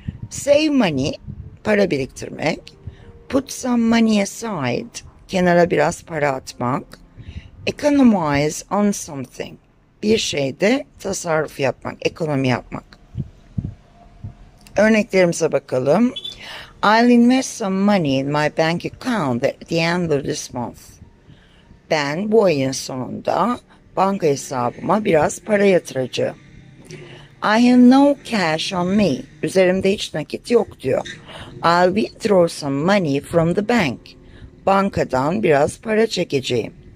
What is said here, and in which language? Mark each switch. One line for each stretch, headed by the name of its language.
English: Save money,
Turkish: para biriktirmek.
English: Put some money aside,
Turkish: kenara biraz para atmak.
English: Economize on something,
Turkish: bir şeyde tasarruf yapmak, ekonomi yapmak. Örneklerimize bakalım.
English: I'll invest some money in my bank account at the end of this month.
Turkish: Ben bu ayın sonunda banka hesabıma biraz para yatıracağım.
English: I have no cash on me.
Turkish: Üzerimde hiç nakit yok diyor.
English: I'll withdraw some money from the bank.
Turkish: Bankadan biraz para çekeceğim.